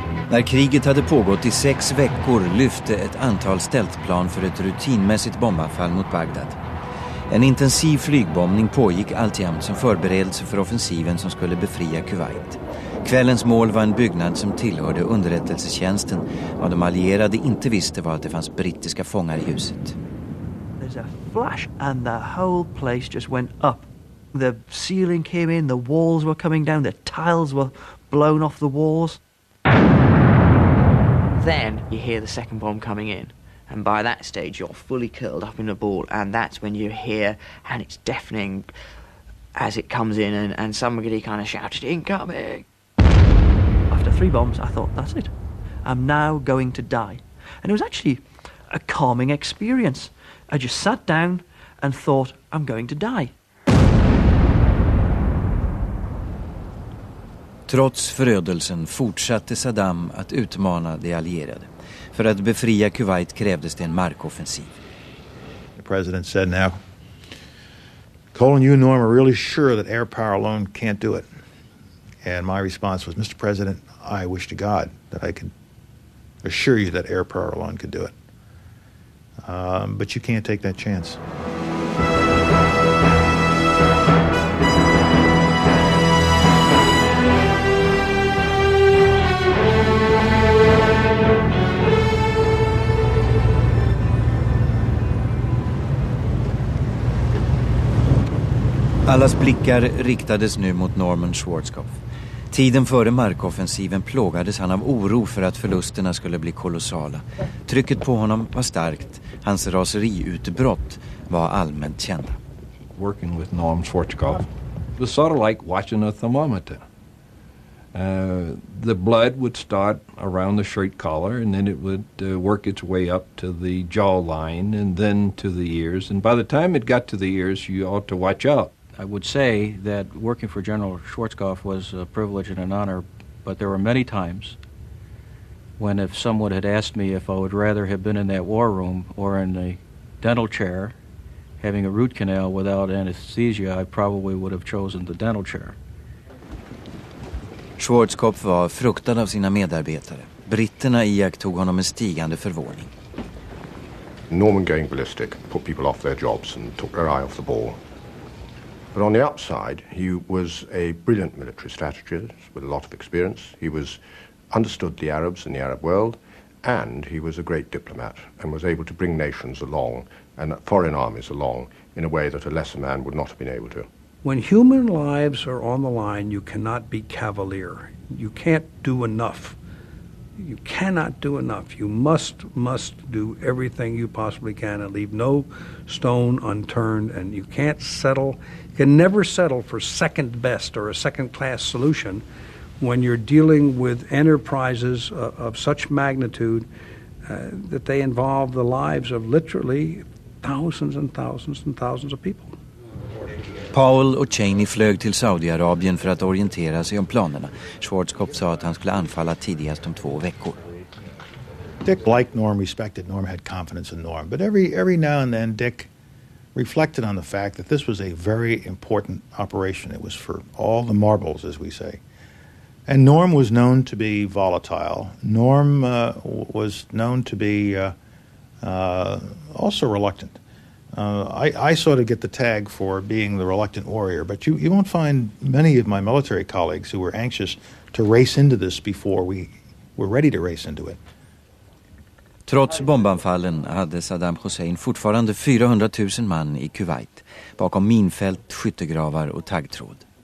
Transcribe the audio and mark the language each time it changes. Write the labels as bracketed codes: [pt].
[sv] När kriget hade pågått i 6 veckor lyfte ett antal stealthplan för ett rutinmässigt bombanfall mot Bagdad. En intensiv flygbombning pågick alltjämt som förberedelse för offensiven som skulle befria Kuwait. Kvällens mål var en byggnad som tillhörde underrättelsetjänsten, och de allierade inte visste var att det fanns brittiska fångar i huset. [en] There's a flash and the whole place just went up. The ceiling came in, the walls were coming down, the tiles were blown off the walls. Then you hear the second bomb coming in, and by that stage you're fully curled up in a ball, and that's when you hear, and it's deafening as it comes in, and somebody kind of shouted, incoming. After 3 bombs I thought, that's it, I'm now going to die. And it was actually a calming experience. I just sat down and thought, I'm going to die. [sv] Trots förödelsen fortsatte Saddam att utmana de allierade. För att befria Kuwait krävdes det en markoffensiv. [en] The president said now, Colin, you and Norm are really sure that air power alone can't do it. And my response was, Mr. President, I wish to God that I could assure you that air power alone could do it. But you can't take that chance. [sv] Allas blickar riktades nu mot Norman Schwarzkopf. Tiden före markoffensiven plågades han av oro för att förlusterna skulle bli kolossala. Trycket på honom var starkt. Hans raseriutbrott var allmänt kända. [en] Working with Norman Schwarzkopf, it was sort of like watching a thermometer. The blood would start around the shirt collar and then it would work its way up to the jawline and then to the ears. And by the time it got to the ears, you ought to watch out. I would say that working for General Schwarzkopf was a privilege and an honor, but there were many times when if someone had asked me if I would rather have been in that war room or in a dental chair having a root canal without anesthesia, I probably would have chosen the dental chair. [sv] Schwarzkopf var fruktad av sina medarbetare. Britterna iakttog honom med stigande förvåning. [en] Norman going ballistic put people off their jobs and took their eye off the ball. But on the upside, he was a brilliant military strategist with a lot of experience. He was understood the Arabs and the Arab world, and he was a great diplomat and was able to bring nations along and foreign armies along in a way that a lesser man would not have been able to. When human lives are on the line, you cannot be cavalier. You can't do enough. You cannot do enough. You must do everything you possibly can and leave no stone unturned, and you can't settle. You can never settle for second best or a second class solution when you're dealing with enterprises of such magnitude that they involve the lives of literally thousands and thousands and thousands of people. [sv] Paul och Cheney flög till Saudiarabien för att orientera sig om planerna. Schwarzkopf sa att han skulle anfalla tidigast om 2 veckor. [en] Dick liked Norm, respected Norm, had confidence in Norm. But every now and then Dick reflected on the fact that this was a very important operation. It was for all the marbles, as we say. And Norm was known to be volatile. Norm was known to be also reluctant. I sort of get the tag for being the reluctant warrior, but you won't find many of my military colleagues who were anxious to race into this before we were ready to race into it. [sv] Trots bombanfallen hade Saddam Hussein fortfarande 400 000 man i Kuwait bakom minfält, skyttegravar och taggtråd.